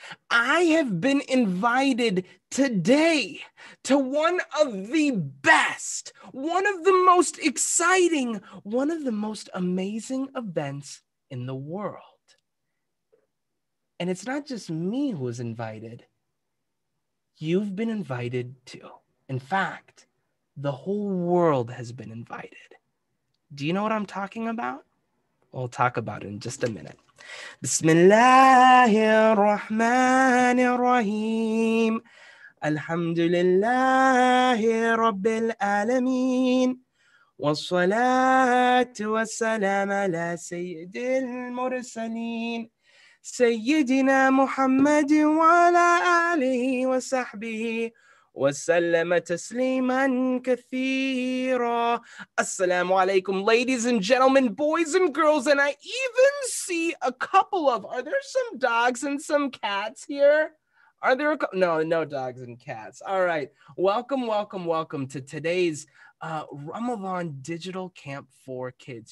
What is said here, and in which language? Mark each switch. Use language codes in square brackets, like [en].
[en] I have been invited today to one of the best, one of the most exciting, one of the most amazing events in the world. And it's not just me who was invited. You've been invited too. In fact, the whole world has been invited. Do you know what I'm talking about? We'll talk about it in just a minute. [ar] بسم الله الرحمن الرحيم الحمد لله رب العالمين والصلاة والسلام على سيد المرسلين سيدنا محمد وعلى آله وصحبه وسلم تسليما كثيرا. [en] Assalamu alaikum, ladies and gentlemen, boys and girls, and I even see a couple of, are there some dogs and some cats here? Are there no dogs and cats. All right, welcome to today's Ramadan digital camp for kids.